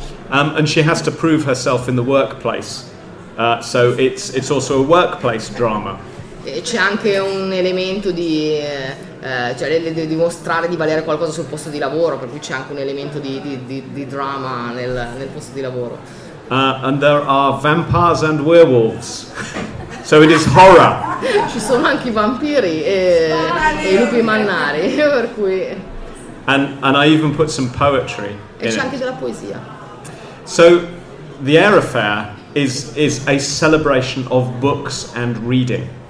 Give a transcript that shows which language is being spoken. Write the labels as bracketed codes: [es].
[en] And she has to prove herself in the workplace, so it's also a workplace drama. [it] E c'è anche un elemento di cioè dimostrare di valere qualcosa sul posto di lavoro, per cui c'è anche un elemento di drama nel posto di lavoro. [en] And there are vampires and werewolves, so it is horror. [it] Ci sono anche I vampiri e I lupi mannari, per cui. [en] And I even put some poetry. [it] E c'è anche della poesia. [en] So, The Air Affair is a celebration of books and reading.